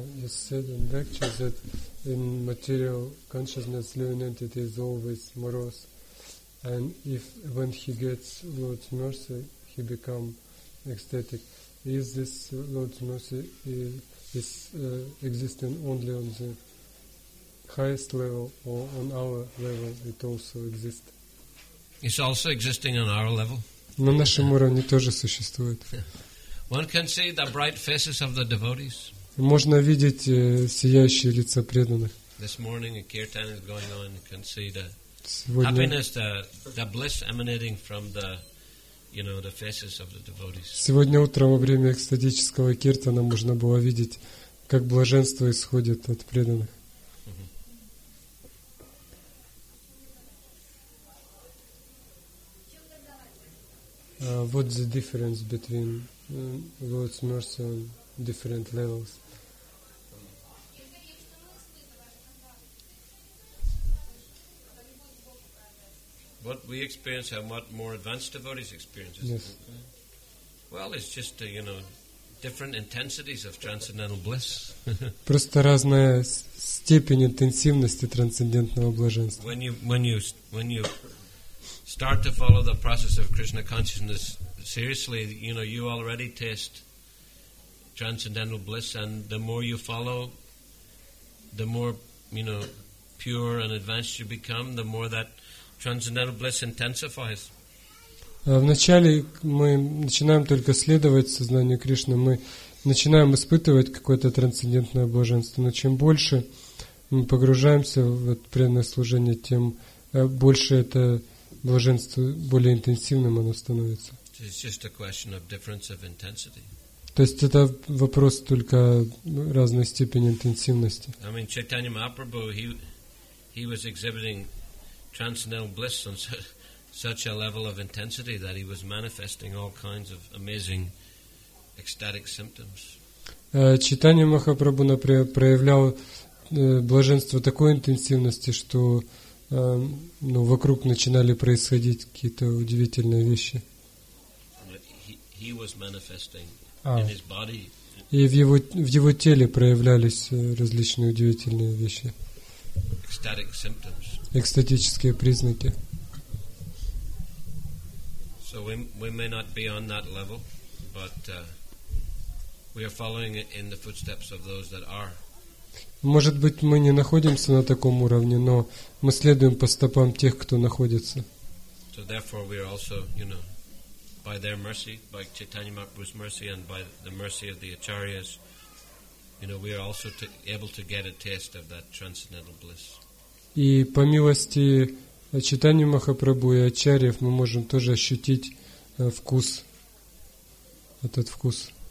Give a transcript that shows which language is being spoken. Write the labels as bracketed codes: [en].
[en] Said in lectures that in material consciousness living entity is always morose, and if when he gets Lord's mercy he become ecstatic. Is this Lord's mercy is existing only on the highest level, or on our level it also exists? It's also existing on our level. [ru] На нашем уровне тоже существует. [en] One can see the bright faces of the devotees. [ru] Можно видеть сияющие лица преданных. [en] This morning a kirtan is going on. You can see the [ru] сегодня [en] happiness, the bliss emanating from the, you know, the faces of the devotees. [ru] Сегодня утром во время экстатического киртана можно было видеть, как блаженство исходит от преданных. [en] What's the difference between Lord's mercy on different levels? What we experience and what more advanced devotees experience. Yes. Well, it's just you know, different intensities of transcendental bliss. [ru] Просто разная степень интенсивности трансцендентного блаженства. [en] When you start to follow the process of Krishna consciousness seriously, you know, you already taste transcendental bliss, and the more you follow, the more, you know, pure and advanced you become, the more that transcendental bliss intensifies. [ru] Вначале мы начинаем только следовать сознанию Кришны, мы начинаем испытывать какое-то трансцендентное блаженство, но чем больше мы погружаемся в преданное служение, тем больше это блаженство, более интенсивным оно становится. [en] It's just a question of difference of intensity. [ru] То есть это вопрос только разной степени интенсивности. [en] I mean, Chaitanya Mahaprabhu, he was exhibiting transcendental bliss on such a level of intensity that he was manifesting all kinds of amazing ecstatic symptoms. [ru] Читание Махапрабху, например, проявлял блаженство такой интенсивности, что ну, вокруг начинали происходить какие-то удивительные вещи. [en] He was manifesting in his body. [ru] И в его теле проявлялись различные удивительные вещи. [en] Ecstatic symptoms. [ru] Экстатические признаки. [en] So we may not be on that level, but we are following it in the footsteps of those that are. [ru] Может быть, мы не находимся на таком уровне, но мы следуем по стопам тех, кто находится. [en] So therefore we are also, you know, by their mercy, by Chaitanya Mahaprabhu's mercy and by the mercy of the acharyas, you know, we are also able to get a taste of that transcendental bliss. [ru] И по милости Чайтаньи Махапрабху и ачарьев мы можем тоже ощутить вкус, этот вкус.